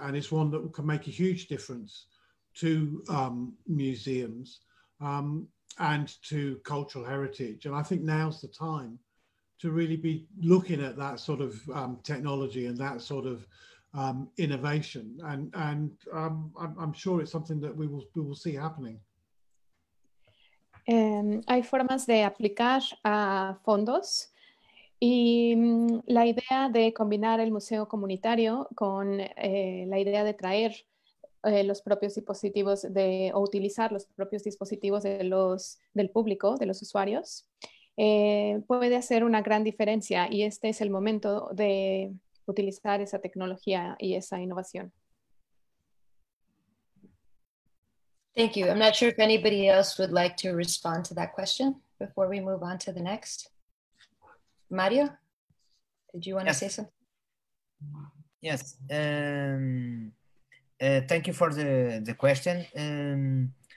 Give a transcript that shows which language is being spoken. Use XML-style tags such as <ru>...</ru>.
<en>And it's one that can make a huge difference to museums and to cultural heritage. And I think now's the time to really be looking at that sort of technology and that sort of innovation. I'm sure it's something that we will see happening.</en> <es>Hay formas de aplicar a fondos y la idea de combinar el museo comunitario con la idea de traer los propios dispositivos o utilizar los propios dispositivos del público, de los usuarios, puede hacer una gran diferencia, y este es el momento de utilizar esa tecnología y esa innovación.</es> <en>Thank you. I'm not sure if anybody else would like to respond to that question before we move on to the next. Mario, did you want to say something? Yes. Thank you for the question.</en>